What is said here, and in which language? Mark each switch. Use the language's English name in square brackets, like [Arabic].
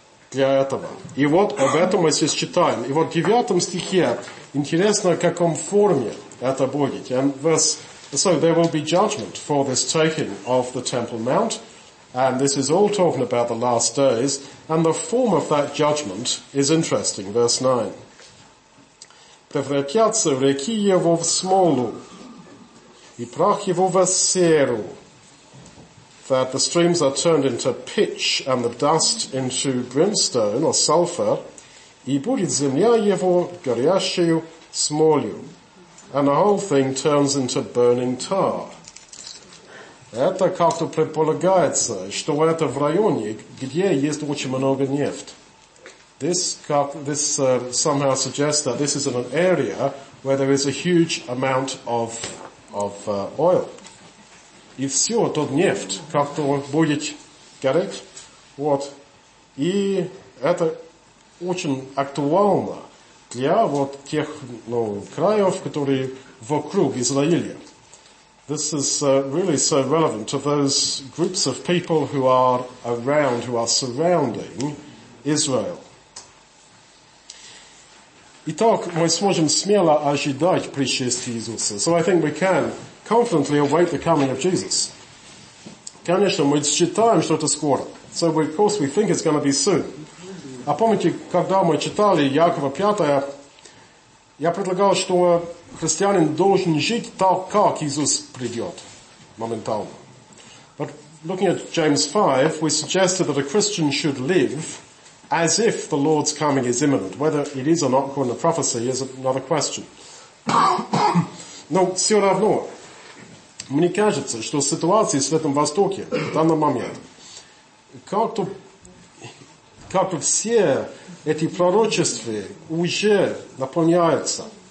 [Russian] Для этого. И вот об этом мы сейчас читаем. И вот в 9 стихе интересно, в каком форме это будет. [English] And verse, so there will be judgment for this taking of the Temple Mount. And this is all talking about the last days. And the form of that judgment is interesting. Verse 9. [Russian] Превратятся реки его в смолу и прах его в серу. [English] That the streams are turned into pitch and the dust into brimstone or sulfur, [Russian] и будет земля его горящую смолью. [English] and the whole thing turns into burning tar. [Russian] Это как-то предполагается, что в этом районе, где есть очень много нефти. [English] This somehow suggests that this is in an area where there is a huge amount of oil. [Russian] И все, тут нефть, как-то будет гореть. Вот. И это очень актуально для вот тех, ну, краев, которые вокруг Израиля. [English] This is really so relevant to those groups of people who are around, who are surrounding Israel. [Russian] Итак, мы сможем смело ожидать пришествия Иисуса. [English] So I think we can confidently await the coming of Jesus. [Russian] Конечно, мы считаем, что это скоро. [English] So we, of course we think it's going to be soon. [Russian] А помните, когда мы читали Якова 5, я предлагал, что христианин должен жить так, как Иисус придет моментально. [English] But looking at James 5, we suggested that a Christian should live as if the Lord's coming is imminent. Whether it is or not according to prophecy is another question. [Russian] Но все равно, мне кажется, что ситуация в Святом Востоке в данный момент как-то все эти пророчества уже наполняются.